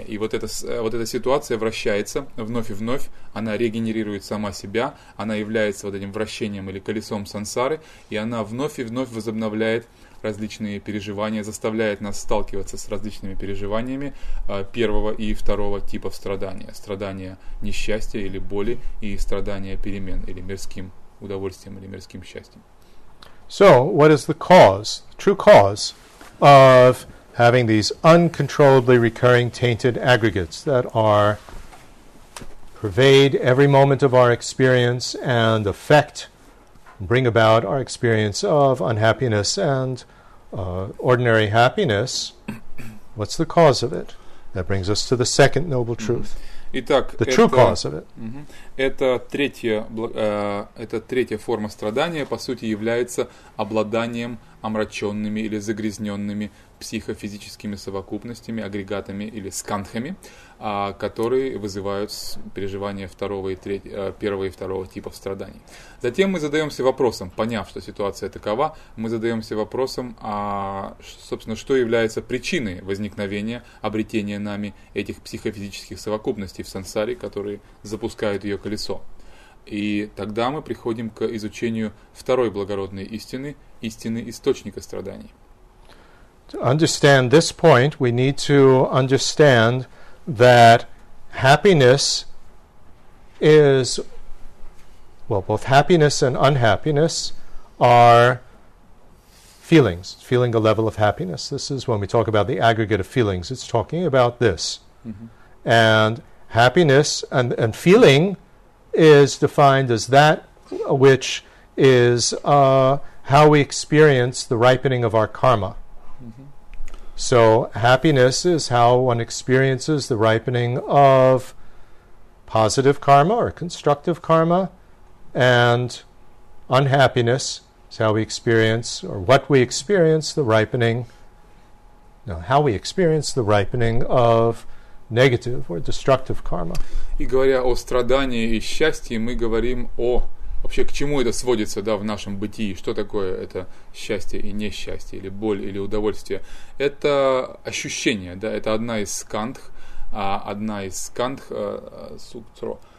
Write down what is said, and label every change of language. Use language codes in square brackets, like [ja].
[ru] И вот эта ситуация вращается вновь и вновь, она регенерирует сама себя, она является вот этим вращением или колесом сансары, и она вновь и вновь возобновляет различные переживания, заставляет нас сталкиваться с различными переживаниями первого и второго типов страдания. Страдания несчастья или боли и страдания перемен или мирским удовольствием или мирским счастьем. [en] So, what is the cause, true cause of having these uncontrollably recurring tainted aggregates that are pervade every moment of our experience and affect, bring about our experience of unhappiness and ordinary happiness? What's the cause of it? That brings us to the second noble truth. [ru] Итак, [en] the true cause of it. [ru] Это третья форма страдания, по сути, является обладанием омраченными или загрязненными психофизическими совокупностями, агрегатами или скандхами, которые вызывают переживания второго и первого и второго типов страданий. Затем мы задаемся вопросом, поняв, что ситуация такова, мы задаемся вопросом, собственно, что является причиной возникновения, обретения нами этих психофизических совокупностей в сансаре, которые запускают ее колесо. И тогда мы приходим к изучению второй благородной истины, истины источника страданий. [en] To understand this point, we need to understand that happiness is, well, both happiness and unhappiness are feelings, feeling a level of happiness. This is when we talk about the aggregate of feelings, it's talking about this. And happiness and feeling is defined as that which is how we experience the ripening of our karma. So happiness is how one experiences the ripening of positive karma or constructive karma, and unhappiness is how we experience or what we experience the ripening, no, how we experience the ripening of negative or destructive karma. [ru] И говоря о страдании и счастье, мы говорим о вообще, к чему это сводится, да, в нашем бытии? Что такое это счастье и несчастье, или боль, или удовольствие? Это ощущение, да, это одна из скандх, сутро.